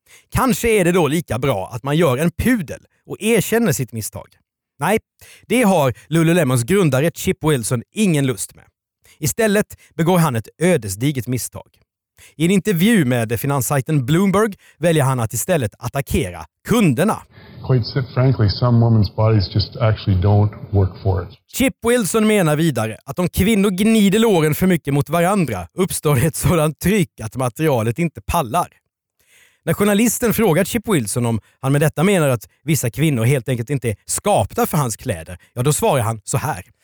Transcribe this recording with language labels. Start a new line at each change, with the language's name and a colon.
Swedish: Kanske är det då lika bra att man gör en pudel och erkänner sitt misstag. Nej, det har Lululemons grundare Chip Wilson ingen lust med. Istället begår han ett ödesdigert misstag. I en intervju med finanssajten Bloomberg väljer han att istället attackera kunderna.
English: Quite frankly, some women's bodies just actually don't work for it.
Swedish: Chip Wilson menar vidare att om kvinnor gnider låren för mycket mot varandra uppstår ett sådant tryck att materialet inte pallar. När journalisten frågar Chip Wilson om han med detta menar att vissa kvinnor helt enkelt inte är skapta för hans kläder, ja då svarar han så här.